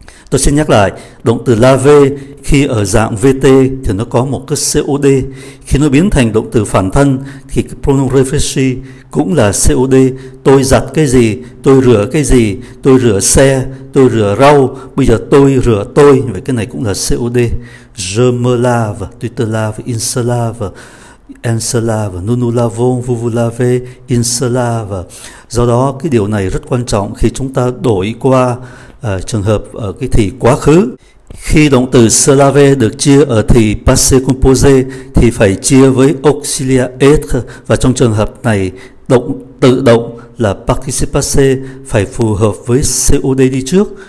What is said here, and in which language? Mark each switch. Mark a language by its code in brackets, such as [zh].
[vi] Tôi xin nhắc lại, động từ laver khi ở dạng VT thì nó có một cái COD. Khi nó biến thành động từ phản thân thì cái pronom réfléchi cũng là COD. Tôi giặt cái gì, tôi rửa cái gì, tôi rửa xe, tôi rửa rau, bây giờ tôi rửa tôi, vậy cái này cũng là COD. [fr] Je me lave, tu te laves, il se lave, elle se lave, nous nous lavons, vous vous lavez, il se lave. [vi] Do đó cái điều này rất quan trọng khi chúng ta đổi qua trường hợp ở cái thì quá khứ. Khi động từ se laver được chia ở thì passé composé thì phải chia với auxiliaire être, và trong trường hợp này động tự động là participe passé phải phù hợp với COD đi trước.